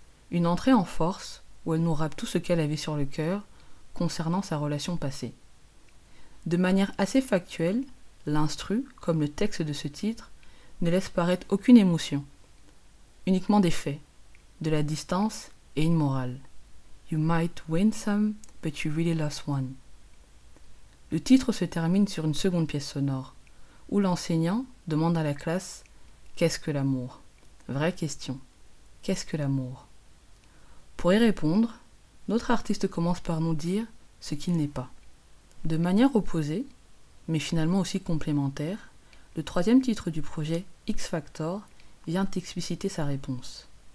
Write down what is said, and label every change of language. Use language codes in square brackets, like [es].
[fr] Une entrée en force, où elle nous rappe tout ce qu'elle avait sur le cœur concernant sa relation passée. De manière assez factuelle, l'instru, comme le texte de ce titre, ne laisse paraître aucune émotion, uniquement des faits. De la distance et une morale. [en] You might win some, but you really lost one. [fr] Le titre se termine sur une seconde pièce sonore, où l'enseignant demande à la classe « Qu'est-ce que l'amour ?» Vraie question. Qu'est-ce que l'amour ? Pour y répondre, notre artiste commence par nous dire ce qu'il n'est pas. De manière opposée, mais finalement aussi complémentaire, le 3e titre du projet, X-Factor, vient expliciter sa réponse.